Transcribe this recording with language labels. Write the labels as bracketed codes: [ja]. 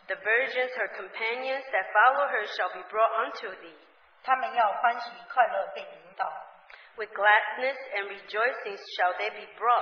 [en] The virgins, her companions that follow her shall be brought unto thee. [zh] 他们要欢喜快乐被引导。 [en] With gladness and rejoicing shall they be brought.